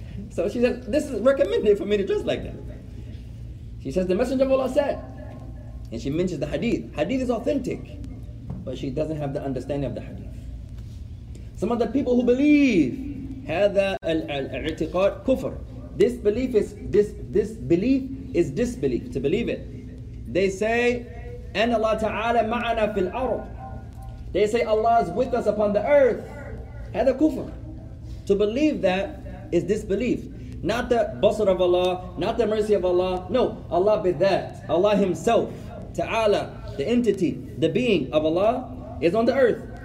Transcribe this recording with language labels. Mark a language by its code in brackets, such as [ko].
[en] So she said, this is recommended for me to dress like that. She says, the Messenger of Allah said, and she mentions the hadith. Hadith is authentic, but she doesn't have the understanding of the hadith. Some of the people who believe, [ar] هذا الاعتقاد كفر. [en] This belief is disbelief, to believe it. They say, [ar] أن الله تعالى معنا في الأرض. [en] They say, Allah is with us upon the earth. [ar] هذا كفر. [en] To believe that is disbelief. Not the basr of Allah, not the mercy of Allah. No, Allah be that. Allah himself. Ta'ala, the entity, the being of Allah is on the earth.